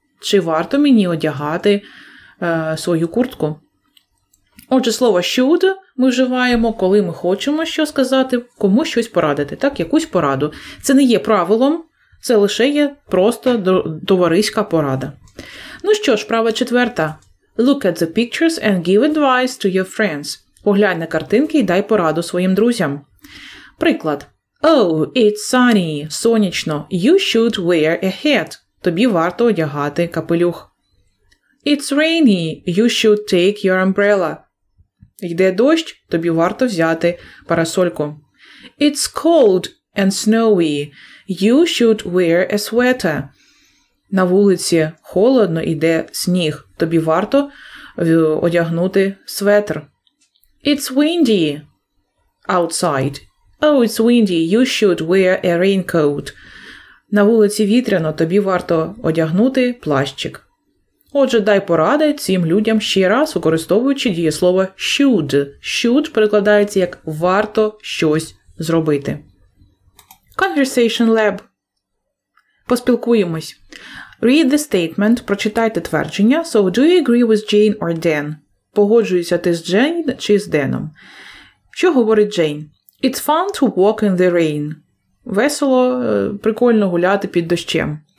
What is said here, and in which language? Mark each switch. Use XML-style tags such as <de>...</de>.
<uk>Чи варто мені одягати свою куртку? Отже, слово should ми вживаємо, коли ми хочемо що сказати, кому щось порадити, так, якусь пораду. Це не є правилом, це лише є просто товариська порада. Ну що ж, права четверта.</uk> <en>Look at the pictures and give advice to your friends.</en> <uk>Поглянь на картинки і дай пораду своїм друзям. Приклад.</uk> <en>Oh, it's sunny,</en> <uk>сонячно.</uk> <en>You should wear a hat.</en> <uk>Тобі варто одягати капелюх.</uk> <en>It's rainy, you should take your umbrella.</en> <uk>Йде дощ, тобі варто взяти парасольку.</uk> <en>It's cold and snowy. You should wear a sweater.</en> <uk>На вулиці холодно, йде сніг. Тобі варто одягнути светр.</uk> <en>It's windy outside. Oh, it's windy. You should wear a raincoat.</en> <uk>На вулиці вітряно, тобі варто одягнути плащик. Отже, дай поради цим людям ще раз, використовуючи дієслово should. Should перекладається як варто щось зробити.</uk> <en>Conversation Lab.</en> <uk>Поспілкуємось.</uk> <en>Read the statement.</en> <uk>Прочитайте твердження.</uk> <en>So, do you agree with Jane or Dan?</en> <uk>Погоджуєшся ти з Джейн чи з Деном? Що говорить Джейн?</uk> <en>It's fun to walk in the rain.</en> <uk>Весело, прикольно гуляти під дощем.</uk>